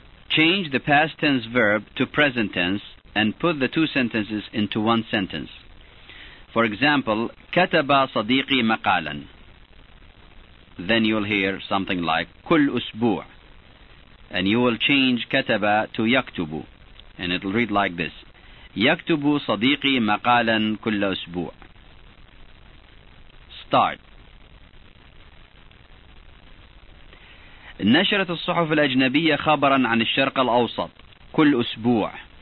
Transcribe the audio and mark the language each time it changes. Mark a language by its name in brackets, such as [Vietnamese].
[English] Change the past tense verb to present tense and put the two sentences into one sentence. For example, [Arabic] كتب صديقي مقالا. [English] Then you'll hear something like [Arabic] كل أسبوع. [English] And you will change كتب to يكتب. And it'll read like this. [Arabic] يكتب صديقي مقالا كل أسبوع. [English] Start. [Arabic] نشرت الصحف الأجنبية خبرا عن الشرق الأوسط كل أسبوع.